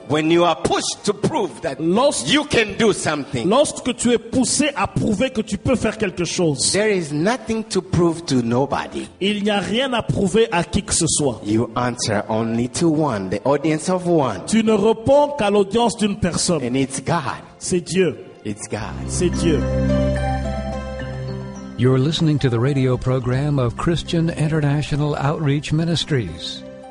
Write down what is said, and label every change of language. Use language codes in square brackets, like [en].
[en] When you are pushed to prove that you can do something. [fr] Lorsque tu es poussé à prouver que tu peux faire quelque chose. [en] There is nothing to prove to nobody. [fr] Il n'y a rien à prouver à qui que ce soit. [en] You answer only to one, the audience of one. [fr] Tu ne réponds qu'à l'audience d'une personne. [en] And it's God. [fr] C'est Dieu. [en] It's God. [fr] C'est Dieu. [en] You're listening to the radio program of Christian International Outreach Ministries.